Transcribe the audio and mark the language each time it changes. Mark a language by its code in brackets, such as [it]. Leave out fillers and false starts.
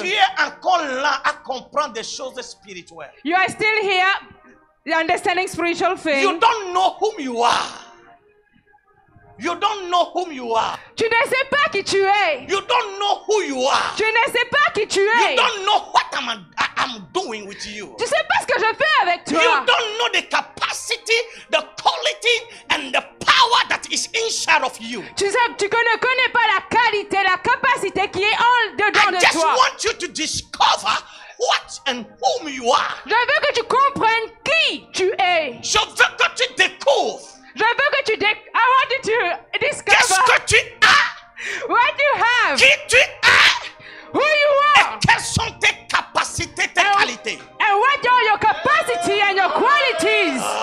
[fr] Tu es encore là à comprendre des choses spirituelles. [en] You are still here, understanding spiritual things. You don't know whom you are. You don't know whom you are. [fr] Tu ne sais pas qui tu es. [en] You don't know who you are. [fr] Tu ne sais pas qui tu es. [en] You don't know what I'm doing with you. [fr] Tu sais pas ce que je fais avec toi. [en] You don't know the capacity, the quality, and the power that is inside of you. [fr] Tu sais, tu ne connais pas la qualité, la capacité qui est en dedans de toi. [en] I just want you to discover what and whom you are. [fr] Je veux que tu comprennes qui tu es. Je veux que tu découvres. Je veux que tu [en] I want you to discover. [fr] Qu'est-ce que tu as? [en] What you have? [fr] Qui tu es? [en] Who you are? [fr] Et quelles sont tes capacités, tes qualités? [en] And what are your capacity and your qualities?